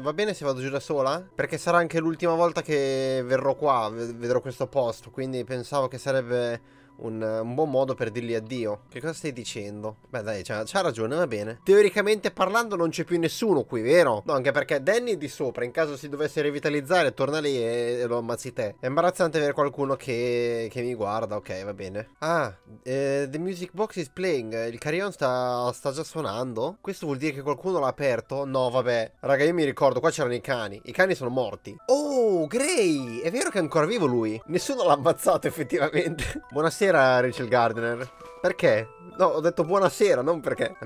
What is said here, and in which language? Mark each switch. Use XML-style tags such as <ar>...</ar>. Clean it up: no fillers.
<it>Va bene se vado giù da sola? Perché sarà anche l'ultima volta che verrò qua, vedrò questo posto, quindi pensavo che sarebbe un buon modo per dirgli addio. Che cosa stai dicendo? Beh, dai, c'ha ragione, va bene. Teoricamente parlando, non c'è più nessuno qui, vero? No, anche perché Danny è di sopra. In caso si dovesse rivitalizzare, torna lì e lo ammazzi te. È imbarazzante avere qualcuno che mi guarda. Ok, va bene.</it> <en>Ah, the music box is playing.</en> <it>Il carillon sta già suonando. Questo vuol dire che qualcuno l'ha aperto? No, vabbè. Raga, io mi ricordo, qua c'erano i cani. I cani sono morti. Oh, Gray! È vero che è ancora vivo lui? Nessuno l'ha ammazzato, effettivamente. Buonasera, Rachel Gardner. Perché? No, ho detto buonasera, non perché.</it>